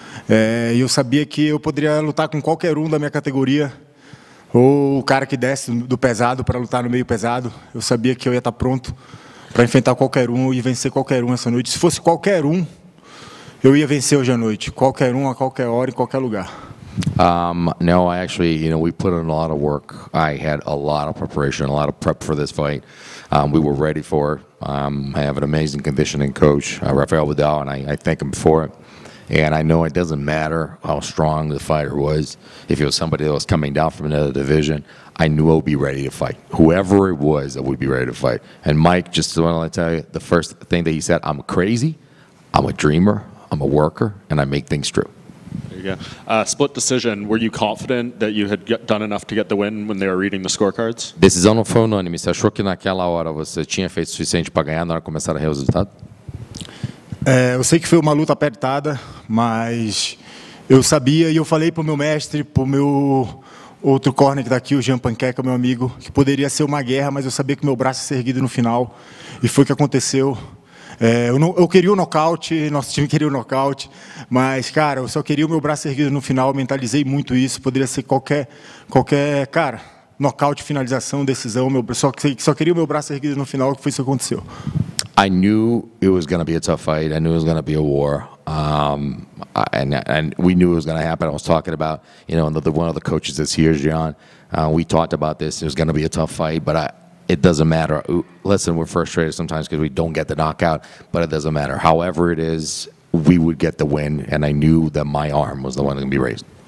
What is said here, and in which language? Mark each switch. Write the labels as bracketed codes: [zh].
[pt] E eu sabia que eu poderia lutar com qualquer um da minha categoria. Ou o cara que desce do pesado para lutar no meio pesado. Eu sabia que eu ia estar pronto para enfrentar qualquer um e vencer qualquer um essa noite. Se fosse qualquer um, eu ia vencer hoje à noite. Qualquer um, a qualquer hora, em qualquer lugar. [en] No, actually, you know, we put in a lot of work. I had a lot of preparation, a lot of prep for this fight. We were ready for it. I have an amazing conditioning coach, Rafael Vidal, and I thank him for it. And I know it doesn't matter how strong the fighter was. If it was somebody that was coming down from another division, I knew I would be ready to fight. Whoever it was, I would be ready to fight. And Mike, just want to tell you, the first thing that he said, I'm crazy, I'm a dreamer, I'm a worker, and I make things true. There you go. Split decision, were you confident that you had done enough to get the win when they were reading the scorecards? [pt] Decisão não foi unânime. Você achou que naquela hora você tinha feito o suficiente para ganhar na hora de começar a ler o resultado? Eu sei que foi uma luta apertada, mas eu sabia e eu falei para o meu mestre, para o meu outro corner que está aqui, o Jean Panqueca, meu amigo, que poderia ser uma guerra, mas eu sabia que meu braço ia ser erguido no final. E foi o que aconteceu. Eu queria o nocaute, nosso time queria o nocaute, mas, cara, eu só queria o meu braço erguido no final, mentalizei muito isso, poderia ser qualquer cara, nocaute, finalização, decisão, só queria o meu braço erguido no final, que foi isso que aconteceu. [en] I knew it was going to be a tough fight. I knew it was going to be a war. And we knew it was going to happen. I was talking about, you know, one of the coaches this year, Gian. We talked about this. It was going to be a tough fight, but it doesn't matter. Listen, we're frustrated sometimes because we don't get the knockout, but it doesn't matter. However it is, we would get the win, and I knew that my arm was the one that would be raised.